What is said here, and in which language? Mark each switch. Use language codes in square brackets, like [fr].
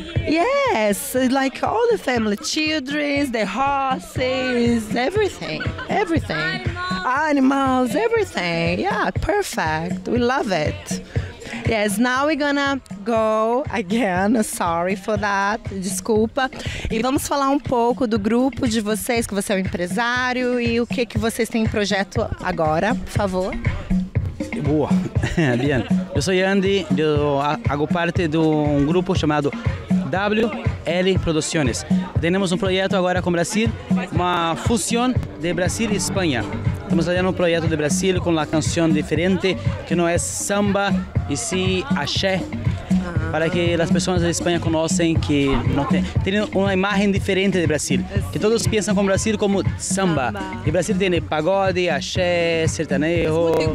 [en] Yes, like all the family, children, the horses, everything. Animals, everything. Yeah, perfect. We love it. Yes, now we're gonna go again, sorry for that, [pt] desculpa. E vamos falar um pouco do grupo de vocês, que você é um empresário, e o que vocês têm em projeto agora, por favor. Boa, bem. Eu sou Andy, eu hago parte de um grupo chamado WL Producciones. Temos um projeto agora com o Brasil, uma fusão de Brasil e Espanha. [es] Estamos allá en un proyecto de Brasil con la canción diferente, que no es samba, y sí axé, para que las personas de España conocen que no tienen una imagen diferente de Brasil, que todos piensan con Brasil como samba. Y Brasil tiene pagode, axé, sertanejo.